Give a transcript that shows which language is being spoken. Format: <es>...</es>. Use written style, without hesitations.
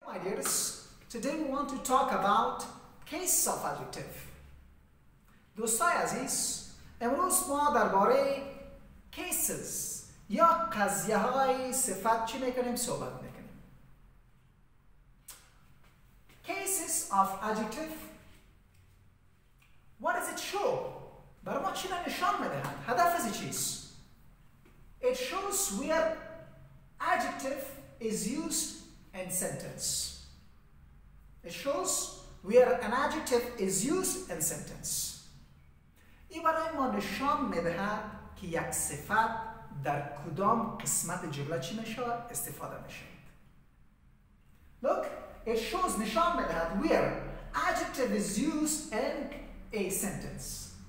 <en>ideas, today we want to talk about case of adjective.</en> <fa>دوستای عزیز، امروز ما درباره cases یا قضیه های صفت چی میکنیم صحبت میکنیم.</fa> <en>Cases of adjective. What does it show?</en> <fa>برای ما چی نشان میدهد؟ هدف از چیست؟</fa> <en>It shows where adjective is used in sentence. It shows where an adjective is used in sentence.</en> <fa>این برای ما نشان میدهد که یک صفت در کدام قسمت جمله چی میشود استفاده میشود.</fa> <en>Look, it shows</en> <fa>نشان میدهد</fa> <en>where adjective is used in a sentence.</en>